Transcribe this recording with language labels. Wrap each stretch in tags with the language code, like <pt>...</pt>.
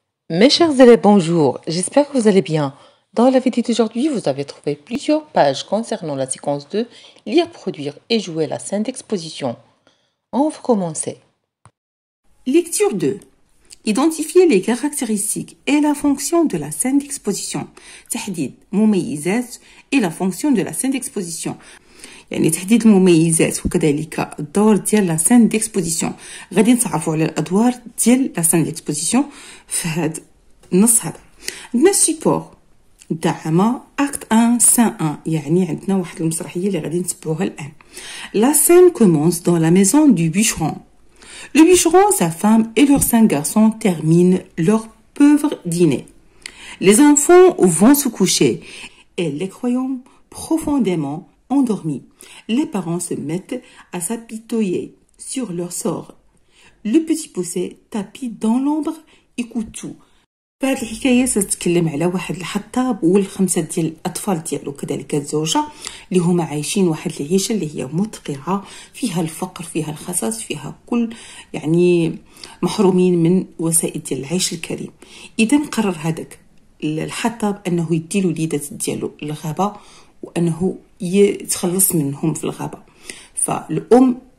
<fr>Mes chers élèves, bonjour. J'espère que vous allez bien. Dans la vidéo d'aujourd'hui, vous avez trouvé plusieurs pages concernant la séquence 2, lire, produire et jouer la scène d'exposition. On va commencer. Lecture 2. Identifier les caractéristiques et la fonction de la scène d'exposition.</fr> <ar>تحديد مميزات</ar> <fr>et la fonction de la scène d'exposition.</fr> <ar>يعني تحديد المميزات وكذلك الدور ديال</ar> <fr>لا سين ديكسبوزيسيون غادي نتعرفوا على الادوار ديال لا سين ديكسبوزيسيون في هذا النص هذا عندنا سيبور دعم اكت 1 سين 1 يعني عندنا واحد المسرحيه اللي غادي نتبعوها الان لا سين كومونس دون لا ميزون دو بيشرون لو بيشرون سا فام اي لور سان غارسون تيرمين لور بوفر ديني les enfants vont se coucher et les croyons profondément endormis. Les parents se mettent à s'apitoyer sur leur sort. Le petit poussé tapit dans l'ombre, écoute tout.</fr> <ar>فهاد الحكاية ستتكلم على واحد الحطاب والخمسة ديال الأطفال ديالو كذلك الزوجة اللي هما عايشين واحد العيشة اللي هي متقعة فيها الفقر فيها الخصاص فيها كل يعني محرومين من وسائل ديال العيش الكريم إذن قرر هذاك الحطاب أنه يديلو ليدات ديالو الغابة وأنه يتخلص منهم في الغابة فالأم</ar>